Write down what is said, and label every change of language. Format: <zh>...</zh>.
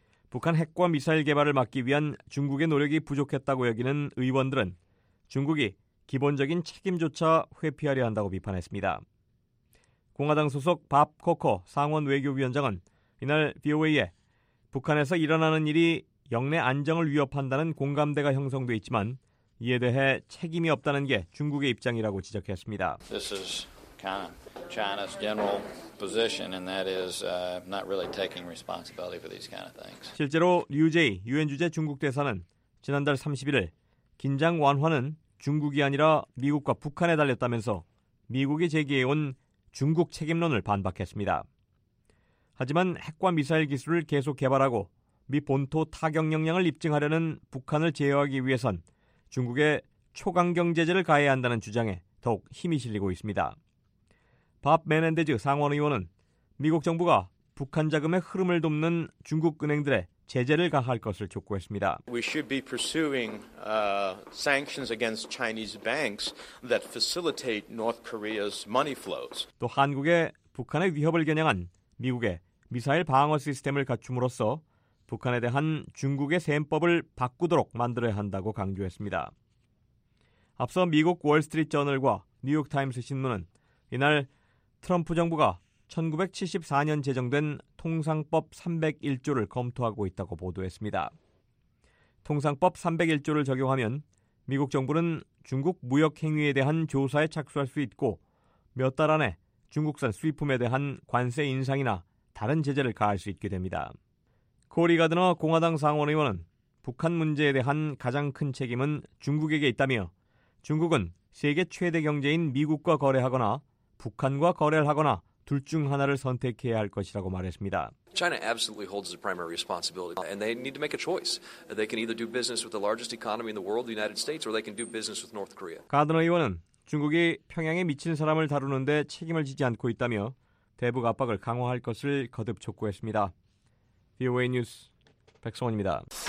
<ko>북한 핵과 미사일 개발을 막기 위한 중국의 노력이 부족했다고 여기는 의원들은 중국이 기본적인 책임조차 회피하려 한다고 비판했습니다. 공화당 소속 밥 코커 상원 외교위원장은 이날 VOA에 북한에서 일어나는 일이 영내 안정을 위협한다는 공감대가 형성돼 있지만 이에 대해 책임이 없다는 게 중국의 입장이라고 지적했습니다.</ko> <en>This is kind of China's general position and that is not really taking responsibility for these kind of things.</en> <ko>실제로 류 제이 유엔 주재 중국 대사는 지난달 31일 긴장 완화는 중국이 아니라 미국과 북한에 달렸다면서 미국이 제기해온 중국 책임론을 반박했습니다. 하지만 핵과 미사일 기술을 계속 개발하고 미 본토 타격 역량을 입증하려는 북한을 제어하기 위해선 중국의 초강경 제재를 가해야 한다는 주장에 더욱 힘이 실리고 있습니다. 밥 메넨데즈 상원의원은 미국 정부가 북한 자금의 흐름을 돕는 중국 은행들의 제재를 가할 것을 촉구했습니다.</ko> <en>We should be pursuing sanctions against Chinese banks that facilitate North Korea's money flows.</en> <ko>또 한국의 북한의 위협을 겨냥한 미국의 미사일 방어 시스템을 갖춤으로써 북한에 대한 중국의 셈법을 바꾸도록 만들어야 한다고 강조했습니다. 앞서 미국 월스트리트 저널과 뉴욕 타임스 신문은 이날 트럼프 정부가 1974년 제정된 통상법 301조를 검토하고 있다고 보도했습니다. 통상법 301조를 적용하면 미국 정부는 중국 무역 행위에 대한 조사에 착수할 수 있고 몇 달 안에 중국산 수입품에 대한 관세 인상이나 다른 제재를 가할 수 있게 됩니다. 코리 가드너 공화당 상원의원은 북한 문제에 대한 가장 큰 책임은 중국에게 있다며 중국은 세계 최대 경제인 미국과 거래하거나 북한과 거래를 하거나 둘 중 하나를 선택해야 할 것이라고 말했습니다.</ko> <en>China absolutely holds the primary responsibility and they need to make a choice. They can either do business with the largest economy in the world, the United States, or they can do business with North Korea.</en> <ko>가드너 의원은 중국이 평양에 미친 사람을 다루는데 책임을 지지 않고 있다며 대북 압박을 강화할 것을 거듭 촉구했습니다. VOA 뉴스 백성원입니다.</ko>